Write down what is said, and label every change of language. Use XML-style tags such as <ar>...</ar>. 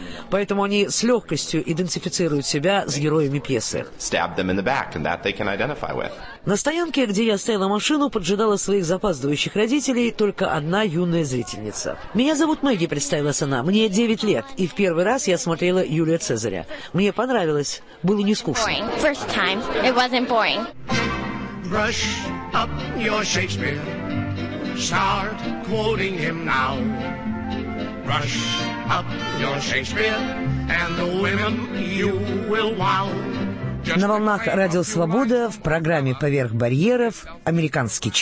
<ru>Поэтому они с легкостью идентифицируют себя с героями пьесы. На стоянке, где я стояла машину, поджидала своих запаздывающих родителей только одна юная зрительница. «Меня зовут Мэгги», — представилась она. «Мне 9 лет, и в первый раз я смотрела «Юлия Цезаря». Мне понравилось, было не скучно».</ru> <en>First time, it wasn't boring. Brush up your Shakespeare. Start quoting him now. Brush up your Shakespeare and the women you will wow.</en> <ru>На волнах Радио Свобода в программе «Поверх барьеров» американский час.</ru>